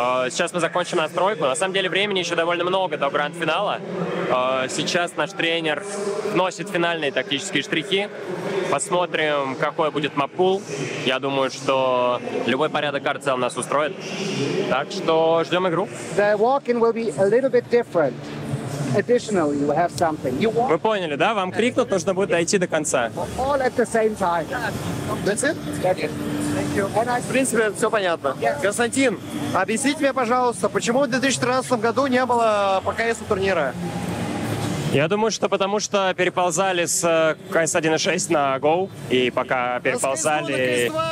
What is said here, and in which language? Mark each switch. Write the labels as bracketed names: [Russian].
[Russian] Сейчас мы закончим настройку. На самом деле времени еще довольно много до гранд-финала. Сейчас наш тренер вносит финальные тактические штрихи. Посмотрим, какой будет мап-пул. Я думаю, что любой порядок арт-зал нас устроит. Так что ждем игру. [English] The walk-in will be a little bit different. Additionally, you have something. You walk... [Russian] Вы поняли, да? Вам крикнут, нужно будет дойти до конца. All at the same time. [English] That's it? That's it. [Russian] В принципе, все понятно. [English] Yes. [Russian] Константин, объясните мне, пожалуйста, почему в 2013 году не было ПКС турнира? Я думаю, что потому что переползали с CS 1.6 на GO, и пока переползали...